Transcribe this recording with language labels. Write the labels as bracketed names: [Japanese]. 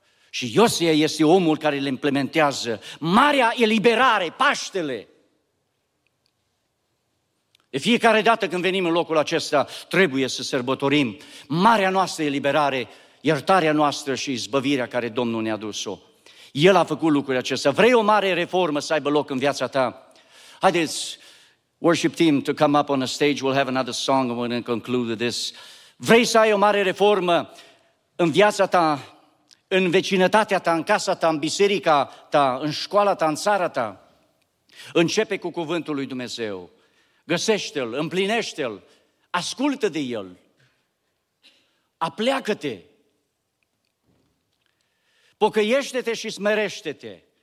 [Romanian] Și Iosea este omul care le implementează. Marea eliberare, Paștele. De fiecare dată când venim în locul acesta, trebuie să sărbătorim marea noastră eliberare, iertarea noastră și izbăvirea care Domnul ne-a dus-o. El a făcut lucrurile acestea. Vrei o mare reformă să aibă loc în viața ta? Haideți, [English] worship team, to come up on the stage. We'll have another song and we're going to conclude this. [Romanian] Vrei să ai o mare reformă în viața ta, în vecinătatea ta, în casa ta, în biserica ta, în școala ta, în țara ta? Începe cu cuvântul lui Dumnezeu. Găsește-l, împlinește-l ascultă de el, apleacă-te, pocăiește-te și smerește-te.